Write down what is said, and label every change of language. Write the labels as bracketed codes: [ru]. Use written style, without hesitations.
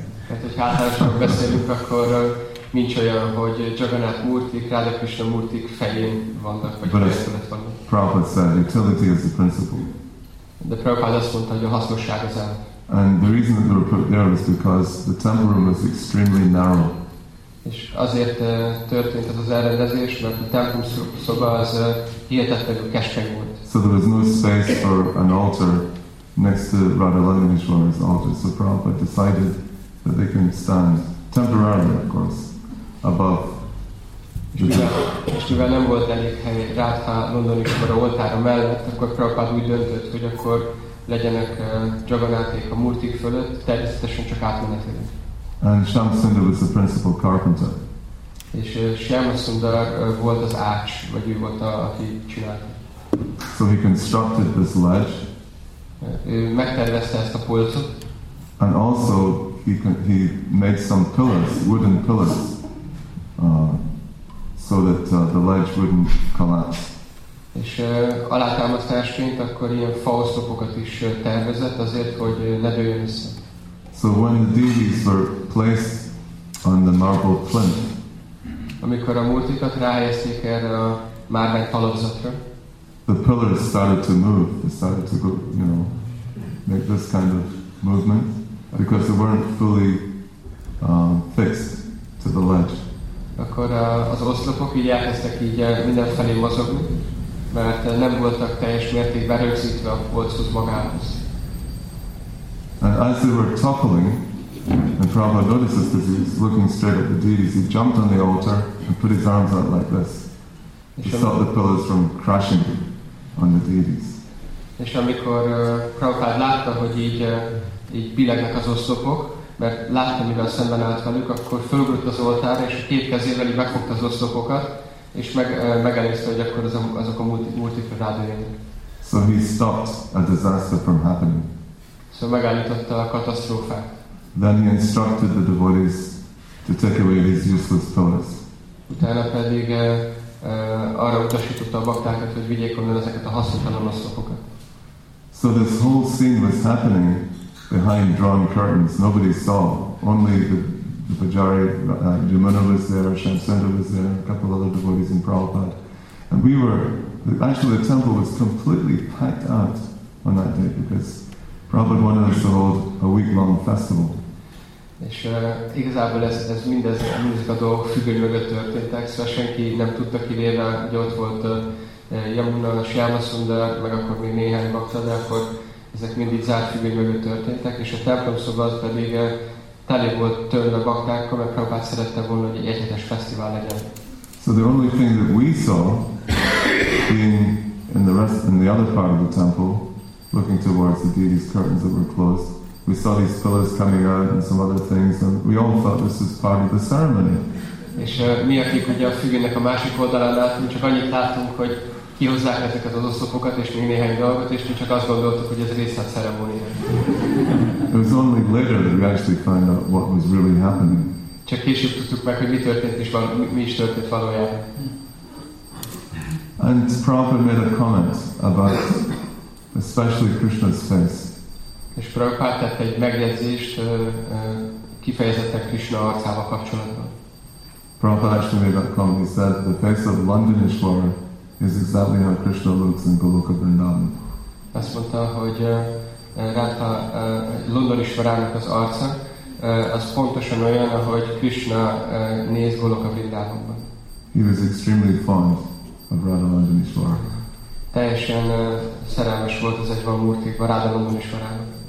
[hu] Tehát, hogy hátásról beszélünk, akkor nincs olyan, hogy Jagannath murtik, Radha Krishna murtik fején vannak, vagy keresztület vannak. [en] But Prabhupada said, utility is the principle. [hu] De Prabhupada azt mondta, hogy a hasznosság az el. [en] And the reason that they were put there was because the temple was extremely narrow. [hu] És azért történt ez az elrendezés, mert a templom szoba az hihetetlenül keskeny volt. [en] So there was no space for an altar next to Radha Lalineshwar's altar. So Prabhupada decided that they can stand temporarily, of course, above the temple. [hu] És mivel nem volt elég hely Radha Lalineshwar oltára mellett, akkor Prabhupada úgy döntött, hogy akkor legyenek Jagannáthék a murtik fölött, természetesen csak átmenetileg. [en] And Shamsundar was the principal carpenter. [hu] És Shamsundar volt az ács, vagy ő volt, aki csinálta. [en] So he constructed this ledge. [hu] Ő megtervezte ezt a polcot. [en] And also he made some pillars, wooden pillars, so that the ledge wouldn't collapse. [hu] És alátámasztásként akkor ilyen faoszlopokat is tervezett azért, hogy ne dőljön össze. [en] So when the deities were placed on the marble plinth, [hu] amikor a múltikat ráhelyezték erre a márvány talapzatra, [en] the pillars started to move. They started to go, you know, make this kind of movement because they weren't fully fixed to the ledge. [hu] Akkor az oszlopok így elkezdtek így mindenfelé mozogni, mert nem voltak teljes mértékben rögzítve a polchoz magához. [en] And as they were toppling, and Prabhupada notices this, he was looking straight at the deities, he jumped on the altar and put his arms out like this to stop the pillars from crashing on the deities. [hu] És amikor Prabhupada látta, hogy így billegnek az oszlopok, mert látta, mivel szemben állt velük, akkor fölugrott az oltára, és két kezével így megfogta az oszlopokat, és megelőzte, hogy akkor azok a multikra rádőjönnek. [en] So he stopped a disaster from happening. [hu] So megállította a katasztrófát. [en] Then he instructed the devotees to take away these useless pillars. [hu] Utána pedig arra utasította a baktákat, hogy vigyék onnan ezeket a hasznotalan oszlopokat. [en] So this whole scene was happening behind drawn curtains. Nobody saw. Only the Pujari, Jamuna was there, Shamsundar was there, a couple other devotees in Prabhupada. And we were, actually the temple was completely packed out on that day because Prabhupada wanted us to hold a week-long festival. [hu] És igazából ez mindezek a dolgok függöny mögött történtek, szóval senki nem tudta kivéve, hogy ott volt Jamuna, Shamsundar, meg akkor még néhány bakta, de akkor ezek mind így zárt függöny mögött történtek, és a templomszoba az pedig tele volt törve baktákkal, mert Prabhupada szerette volna, hogy egy egyhetes fesztivál legyen. [en] So the only thing that we saw being in the other part of the temple, looking towards the deities' curtains that were closed, we saw these pillars coming out and some other things, and we all thought this was part of the ceremony. [hu] És mi akik ugye a függőnek a másik oldalán láttunk, csak annyit láttunk, hogy kihozzák ezeket az oszlopokat és még néhány dolgot, és mi csak azt gondoltuk, hogy ez része a ceremónia. [en] It was only later that we actually found out what was really happening. [hu] Csak később tudtuk meg, hogy mi történt is van, mi is történt valójában. [en] And Prabhupada made a comment about especially Krishna's face. [hu] És Prabhupada tett egy megjegyzést kifejezetten Krishna arcával kapcsolatban. [en] Prabhupada actually made that comment. He said, the face of Londonishwara is exactly how Krishna looks in Goloka Vrindavan. [hu] Azt mondta, hogy Rátha Londonishvarának az arca, az pontosan olyan, ahogy Krishna néz Goloka Vrindavanban. [en] He was extremely fond of Radha Londonishwara. [hu] Teljesen szerelmes volt az egy Vamurti, a Radha Londonishvarának.